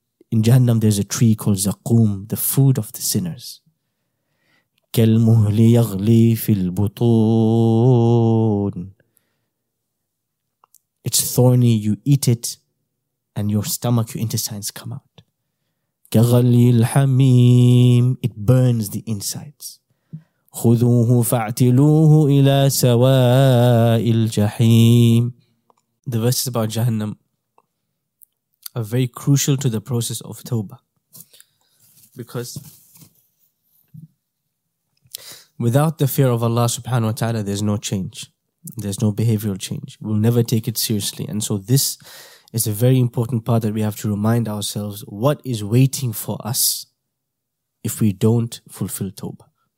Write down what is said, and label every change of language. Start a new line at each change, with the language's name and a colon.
English: In Jahannam there's a tree called Zakum, the food of the sinners.
Arabic: كالمهل يغلي في البطون.
English: It's thorny, you eat it and your stomach, your intestines come out.
Arabic: كغلي الحميم.
English: It burns the insides.
Arabic: خذوه فاعتلوه إلى سواء الجحيم.
English: The verses about Jahannam are very crucial to the process of Tawbah. Because without the fear of Allah subhanahu wa ta'ala, there's no change. There's no behavioral change. We'll never take it seriously. And so this is a very important part that we have to remind ourselves, what is waiting for us if we don't fulfill Tawbah.